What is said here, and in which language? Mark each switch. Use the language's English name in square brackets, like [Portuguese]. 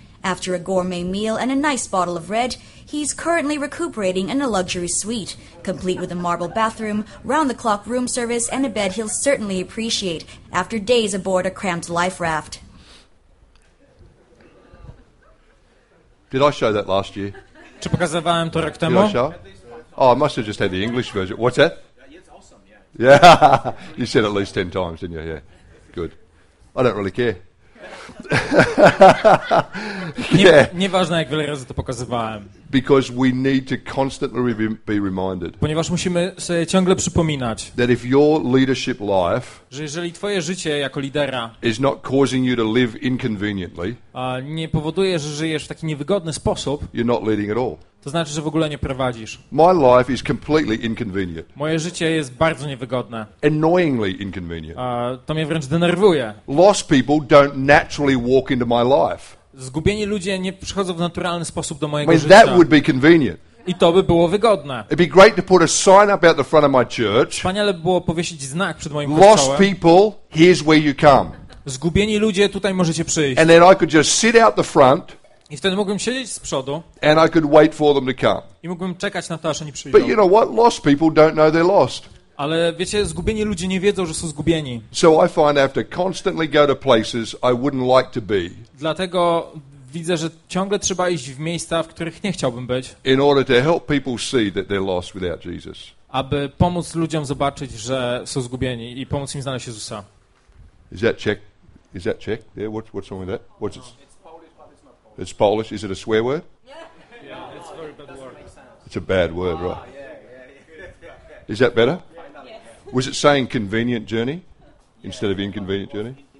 [English] After a gourmet meal and a nice bottle of red, he's currently recuperating in a luxury suite, complete with a marble bathroom, round-the-clock room service, and a bed he'll certainly appreciate after days aboard a cramped life raft. Did I show that last year? [Polish] Czy pokazywałem to rok temu? [English] Oh, I must have just had the English version. What's that? It's awesome, yeah. Yeah, you said at least 10 times, didn't you? Yeah, good. I don't really care. Yeah. [Polish] Nieważne, jak wiele razy to pokazywałem. [English] Because we need to constantly be reminded. [Polish] Ponieważ musimy sobie ciągle przypominać. [English] That if your leadership life, [Polish] że jeżeli twoje życie jako lidera, [English] is not causing you to live inconveniently, [Polish] nie powoduje, że żyjesz w taki niewygodny sposób, [English] you're not leading at all. [Polish] To znaczy, że w ogóle nie prowadzisz. [English] My life is completely inconvenient. [Polish] Moje życie jest bardzo niewygodne. [English] Annoyingly inconvenient. [Polish] To mnie wręcz denerwuje. [English] Lost people don't naturally walk into my life. [Polish] Zgubieni ludzie nie przychodzą w naturalny sposób do mojego życia. [English] That would be convenient. [Polish] I to by było wygodne. [English] It'd be great to put a sign up out the front of my church. [Polish] Wspaniale by było powiesić znak przed moim kościołem. [English] Lost people, here's where you come. [Polish] Zgubieni ludzie, tutaj możecie przyjść. [English] And then I could just sit out the front. [Polish] I wtedy mógłbym siedzieć z przodu. [English] And I could wait for them to come. [Polish] I mógłbym czekać na to, aż oni przyjdą. [English] But you know what? Lost people don't know they're lost. [Polish] Ale wiecie, zgubieni ludzie nie wiedzą, że są zgubieni. [English] So I find I have to constantly go to places I wouldn't like to be. [Polish] Dlatego widzę, że ciągle trzeba iść w miejsca, w których nie chciałbym być. [English] In order to help people see that they're lost without Jesus. [Polish] Aby pomóc ludziom zobaczyć, że są zgubieni i pomóc im znaleźć Jezusa. [English] Is that Czech? Is that Czech? Yeah, what's wrong with that? What's it? It's Polish. Is it a swear word? Yeah, it's a very bad word. It's a bad word, right? Yeah, yeah. Is that better? Yes. Was it saying convenient journey instead of inconvenient journey?